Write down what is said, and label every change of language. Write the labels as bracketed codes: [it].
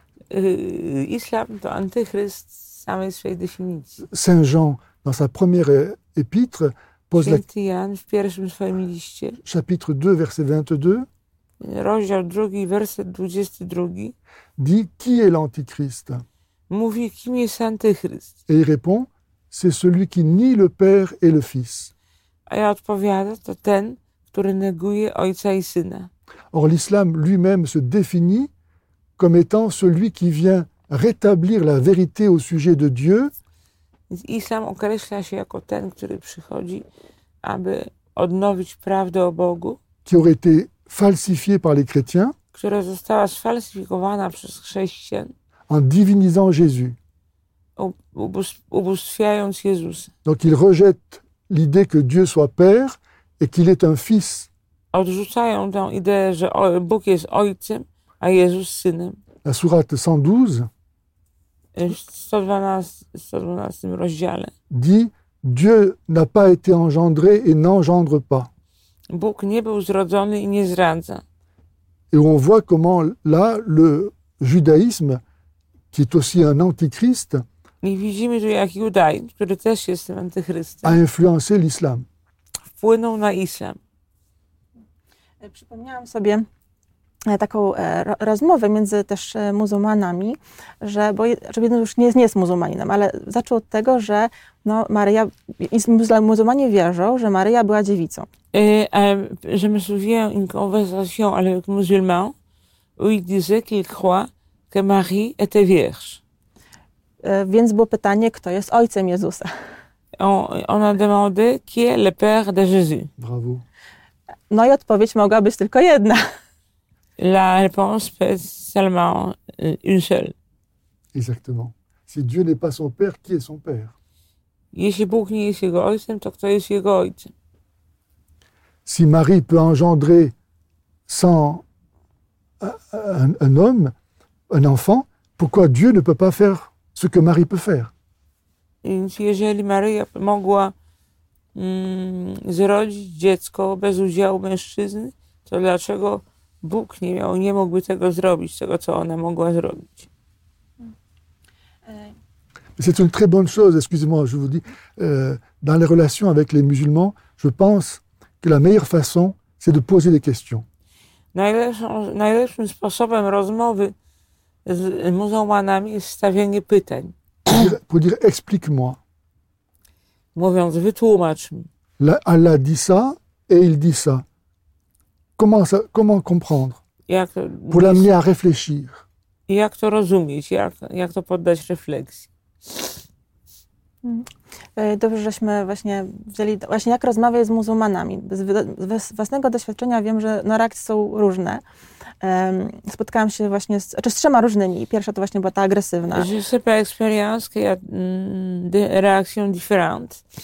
[fr] Islam, antichrist, ça m'est défini. Saint Jean, dans sa première épître, pose [pl] Święty Jan, w pierwszym swoim liście. [fr] Chapitre 2, verset 22. [pl] Rozdział drugi, werset 22. [fr] Dit, qui est l'antichrist? [pl] Mówi, kim jest antychryst? [fr] Et il répond, c'est celui qui nie le Père et le Fils. [pl] A ja odpowiada, to ten, który neguje Ojca i Syna. [fr] Or, l'islam lui-même se définit comme étant celui qui vient rétablir la vérité au sujet de Dieu. [pl] Islam określa się jako ten, który przychodzi, aby odnowić prawdę o Bogu. [fr] Qui aurait été falsifié par les chrétiens, [pl] która została sfalsyfikowana przez chrześcijan, [fr] en divinisant Jésus. [pl] Ubóstwiając Jezusa. [fr] Donc il rejette l'idée que Dieu soit père et qu'il est un fils. [pl] Odrzucają tę ideę, że Bóg jest ojcem, a Jezus synem. [fr] La sourate 112, [pl] w 112 rozdziale, [fr] dit, Dieu n'a pas été engendré et n'engendre pas. [pl] Bóg nie był zrodzony i nie zradza. [fr] Et on voit comment là le judaïsme, qui est aussi un antichrist, [pl] i widzimy, że jak judaizm, który też jest tym antychrystem, [fr] a influencé l'islam. [pl] Wpłynął na islam. Przypomniałam sobie taką rozmowę między też muzułmanami, że, bo jeden już nie jest muzułmaninem, ale zaczął od tego, że no, Maryja, muzułmanie wierzą, że Maryja była dziewicą. [fr] Je me souviens une conversation avec un musulman où il disait qu'il croit que Marie était vierge. [pl] Więc było pytanie, kto jest ojcem Jezusa. [fr] On a demandé qui est le père de Jésus. Bravo. [pl] No i odpowiedź mogła być tylko jedna. [fr] La réponse peut être seulement une seule. Exactement. Si Dieu n'est pas son père, qui est son père? [pl] Jeśli Bóg nie jest jego ojcem, to kto jest jego ojcem? [fr] Si Marie peut engendrer sans un homme, un enfant, pourquoi Dieu ne peut pas faire ce que Marie peut faire? [pl] Si jeżeli Maria mogła zrodzić dziecko bez udziału mężczyzny, to dlaczego Bóg nie mógłby tego zrobić, tego co ona mogła zrobić? [fr] C'est une très bonne chose, excusez-moi, je vous dis, dans les relations avec les musulmans, Je pense que la meilleure façon, c'est de poser des questions. [pl] Najlepszym sposobem rozmowy z muzułmanami jest stawienie pytań. [fr] Pour dire explique-moi. [pl] Mówiąc, wytłumacz mi. [fr] Allah dit ça et il dit ça. Comment comprendre? [pl] Jak, [fr] pour l'amener à réfléchir. [pl] Jak to rozumieć? Jak to poddać refleksji? Dobrze, żeśmy właśnie wzięli, właśnie jak rozmawiać z muzułmanami. Z własnego doświadczenia wiem, że no, reakcje są różne. Spotkałam się właśnie z trzema różnymi. Pierwsza to właśnie była ta agresywna. [fr] Je sais pas expérience que ja réaction différente.